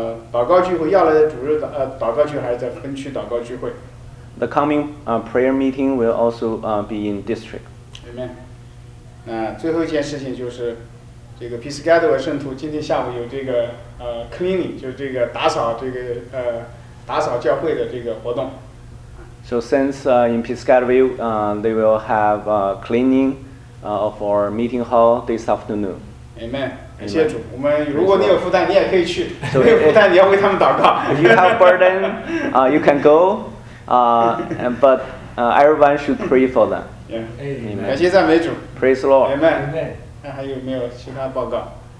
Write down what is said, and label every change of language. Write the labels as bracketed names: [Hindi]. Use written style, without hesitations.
[Chinese] 祷告聚会要来的主日祷告聚会还是在分区祷告聚会。 [English] The coming prayer meeting will also be in district. [Chinese] Amen. 那最后一件事情就是这个 Piscataway 圣徒今天下午有这个cleaning, 就是这个打扫这个打扫教会的这个活动。 [English] So since in Piscataway, they will have cleaning of our meeting hall this afternoon. [Chinese] Amen. 感谢主。我们如果你有负担，你也可以去。没有负担，你要为他们祷告。 [English] If you have burden, you can go. But everyone should pray for them. Yeah. [Chinese] Amen. 感谢赞美主。 [English] Praise the Lord. [Chinese] Amen. 那还有没有其他报告